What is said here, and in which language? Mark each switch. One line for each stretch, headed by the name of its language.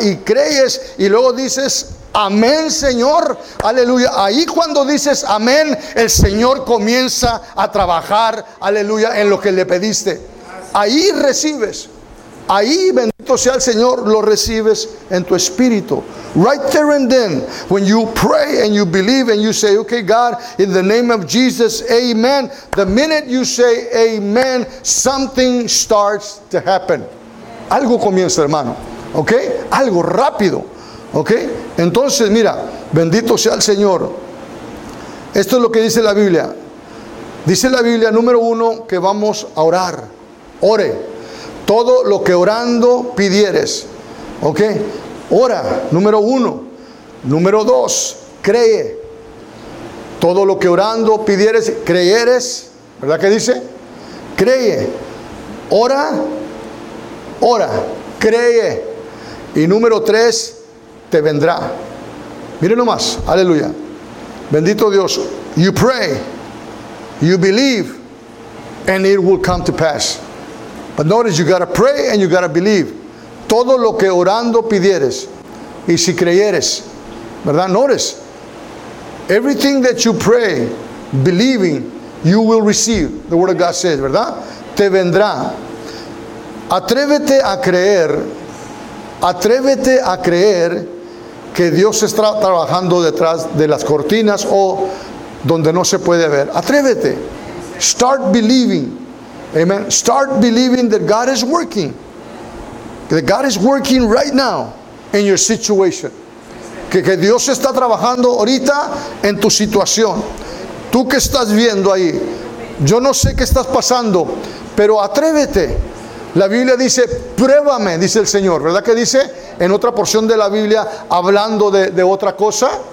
Spanish: Y crees y luego dices amén, Señor, aleluya. Ahí cuando dices amén, el Señor comienza a trabajar, aleluya, en lo que le pediste. Ahí recibes. Ahí, bendito sea el Señor, lo recibes en tu espíritu.
English: Right there and then, when you pray and you believe and you say, okay, God, in the name of Jesus, amen. The minute you say amen, something starts to happen.
Spanish: Algo comienza, hermano. ¿Ok? Algo rápido. ¿Ok? Entonces, mira, bendito sea el Señor. Esto es lo que dice la Biblia. Dice la Biblia, número uno, que vamos a orar. Ore. Todo lo que orando pidieres, ¿ok? Ora, número uno. Número dos, cree. Todo lo que orando pidieres, creeres, ¿verdad que dice? Cree. Ora, ora, cree. Y número tres, te vendrá. Miren nomás, aleluya. Bendito Dios.
English: You pray, you believe, and it will come to pass. But notice, you gotta pray and you gotta believe.
Spanish: Todo lo que orando pidieres, y si creyeres, ¿verdad?
English: Notice, everything that you pray, believing, you will receive. The word of God says,
Spanish: ¿verdad? Te vendrá. Atrévete a creer. Atrévete a creer que Dios está trabajando detrás de las cortinas o donde no se puede ver.
English: Atrévete. Start believing. Amen. Start believing that God is working. That God is working right now in your situation.
Spanish: Que Dios está trabajando ahorita en tu situación. Tú que estás viendo ahí. Yo no sé qué estás pasando, pero atrévete. La Biblia dice, pruébame, dice el Señor. ¿Verdad que dice? En otra porción de la Biblia, hablando de otra cosa.